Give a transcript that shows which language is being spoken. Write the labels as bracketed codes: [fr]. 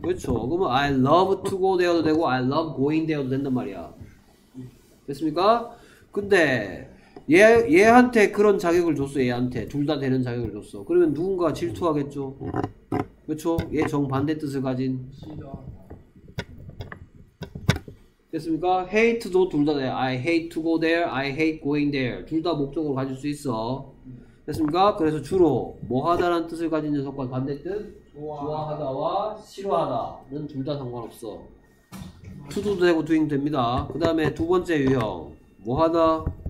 [ko] 그렇죠. 그러면 [en] I love to go there도 되고 I love going there도 [ko] 된단 말이야. 됐습니까? 근데 얘한테 그런 자격을 줬어. 얘한테 둘 다 되는 자격을 줬어. 그러면 누군가 질투하겠죠. 그렇죠? 얘 정반대 뜻을 가진 됐습니까? hate도 둘 다 돼. [en] I hate to go there, I hate going there. [ko] 둘 다 목적으로 가질 수 있어. 됐습니까? 그래서 주로 뭐하다라는 뜻을 가진 녀석과 반대 뜻 좋아하다와 싫어하다는 둘 다 상관없어. to도 되고 doing 됩니다. 그 다음에 두 번째 유형 뭐 하다?